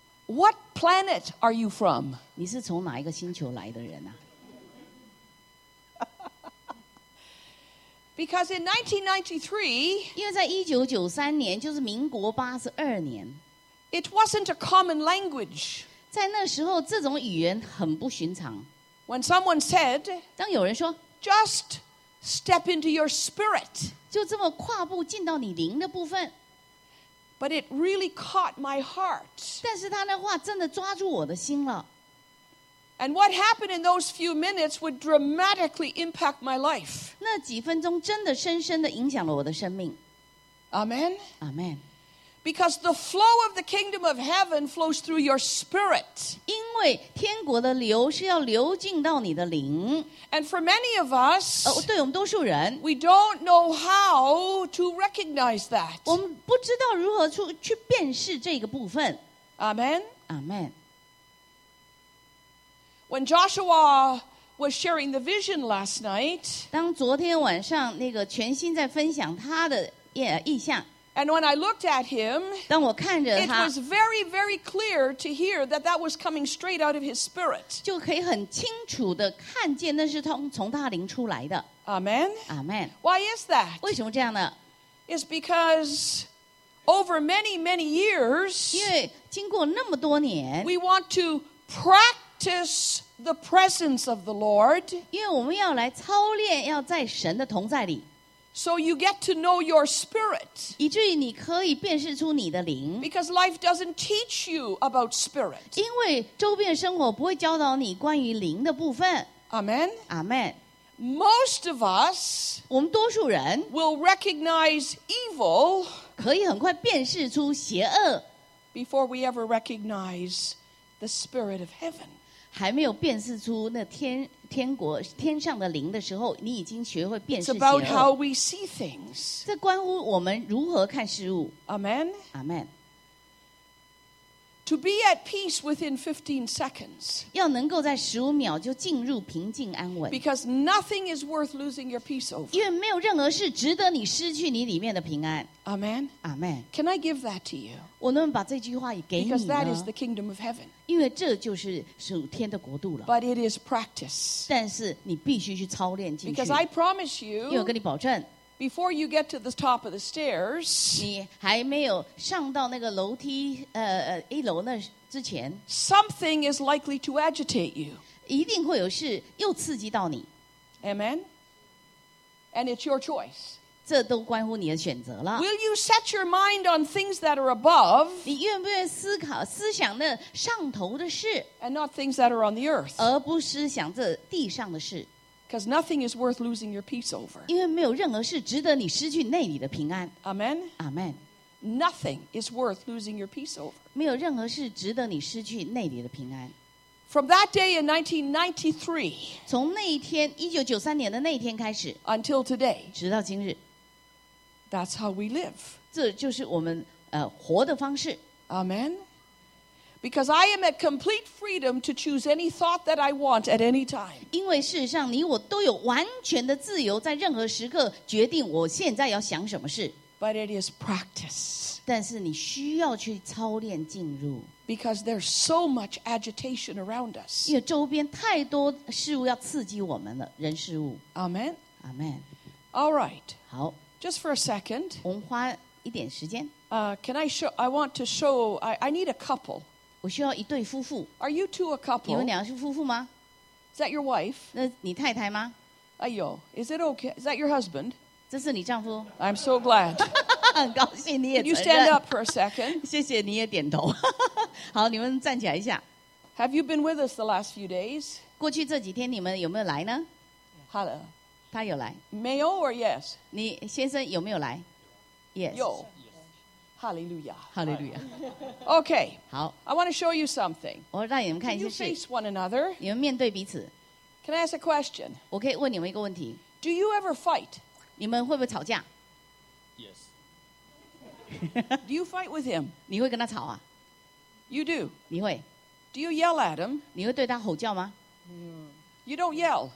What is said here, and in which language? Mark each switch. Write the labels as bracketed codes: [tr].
[en] what planet are you from? [zh] 你是从哪一个星球来的人啊 [en] Because in 1993, [zh] 因为在1993年，就是民国82年 [en] it wasn't a common language. [zh] 在那时候，这种语言很不寻常 [en] When someone said, [zh] 当有人说 [en] just step into your spirit, [zh] 就这么跨步进到你灵的部分。 [en] But it really caught my heart. [zh] 但是他那话真的抓住我的心了。 [en] And what happened in those few minutes would dramatically impact my life. [zh] 那几分钟真的深深的影响了我的生命。 [en] Amen. Amen. Because the flow of the kingdom of heaven flows through your spirit. [zh] 因为天国的流是要流进到你的灵。 [en] And for many of us, [zh] 对我们多数人 [en] we don't know how to recognize that. [zh] 我们不知道如何去辨识这个部分。 [en] Amen. Amen. When Joshua was sharing the vision last night, [zh] 当昨天晚上那个全心在分享他的意象 [en] And when I looked at him, [zh] 当我看着他, [en] it was very, very clear to hear that that was coming straight out of his spirit. [zh] 就可以很清楚地看见那是从他灵出来的。 [en] Amen. Amen. Why is that? [zh] 为什么这样呢? [en] It's because over many, many years, [zh] 因为经过那么多年, [en] we want to practice the presence of the Lord. [zh] 因为我们要来操练，要在神的同在里。 [en] So you get to know your spirit. [zh] 以至于你可以辨识出你的灵。 [en] Because life doesn't teach you about spirit. [zh] 因为周边生活不会教导你关于灵的部分。 [en] Amen. Amen. Most of us, [zh] 我们多数人 [en] will recognize evil, [zh] 可以很快辨识出邪恶 [en] before we ever recognize the spirit of heaven. [zh] 还没有辨识出那天天国天上的灵的时候，你已经学会辨识邪恶。 [en] It's about how we see things. [zh] 这关乎我们如何看事物。 [en] Amen. Amen. To be at peace within 15 seconds. [zh] 要能够在十五秒就进入平静安稳。 [en] Because nothing is worth losing your peace over. [zh] 因为没有任何事值得你失去你里面的平安。 [en] Amen. Amen. Can I give that to you? [zh] 我能把这句话也给你呢。 [en] Because that is the kingdom of heaven. [zh] 因为这就是属天的国度了。 [en] But it is practice. [zh] 但是你必须去操练进去。 [en] Because I promise you. [zh] 因为我跟你保证。 [en] Before you get to the top of the stairs, [zh] 你还没有上到那个楼梯，一楼那之前 [en] ，something is likely to agitate you. [zh] 一定会有事又刺激到你。 [en] Amen. And it's your choice. [zh] 这都关乎你的选择了。 [en] Will you set your mind on things that are above? [zh] 你愿不愿思考思想那上头的事 [en] ？And not things that are on the earth. [zh] 而不思想这地上的事。 [en] Because nothing is worth losing your peace over. [zh] 因为没有任何事值得你失去内里的平安。 [en] Amen. Amen. Nothing is worth losing your peace over. [zh] 没有任何事值得你失去内里的平安。 [en] From that day in 1993, [zh] 从那一天1993年的那一天开始 [en] ，until today, [zh] 直到今日 [en] ，that's how we live. [zh] 这就是我们活的方式。 [en] Amen. Because I am at complete freedom to choose any thought that I want at any time. [zh] 因为事实上，你我都有完全的自由，在任何时刻决定我现在要想什么事。 [en] But it is practice. [zh] 但是你需要去操练进入。 [en] Because there's so much agitation around us. [zh] 因为周边太多事物要刺激我们了，人事物。 [en] Amen. Amen. All right. [zh] 好。 [en] Just for a second. [zh] 我们花一点时间。 [en] Can I show? I want to show. I need a couple. [zh] 我需要一对夫妇。 [en] Are you two a couple? [zh] 你们两个是夫妇吗？ [en] Is that your wife? [zh] 那你太太吗？ [en] 哎呦， is it okay? Is that your husband? [zh] 这是你丈夫。 [en] I'm so glad. [zh] 很高兴你也承认。 [en] You stand up for a second. [zh] 谢谢你也点头。好，你们站起来一下。 [en] Have you been with us the last few days? [zh] 过去这几天你们有没有来呢？ [en] Hello. [zh] 他有来。没有 [en] or yes? [zh] 你先生有没有来？ [en] Yes. [zh] 有。Hallelujah. [en] Hallelujah. Okay. [zh] 好 [en] I want to show you something. [zh] 我让你们看一些事 [en] Can you face one another? [zh] 你们面对彼此 [en] Can I ask a question? [zh] 我可以问你们一个问题 [en] Do you ever fight? [zh] 你们会不会吵架 [en] Yes. Do you fight with him? [zh] 你会跟他吵啊 [en] You do. [zh] 你会 [en] Do you yell at him? [zh] 你会对他吼叫吗 [en] You don't yell.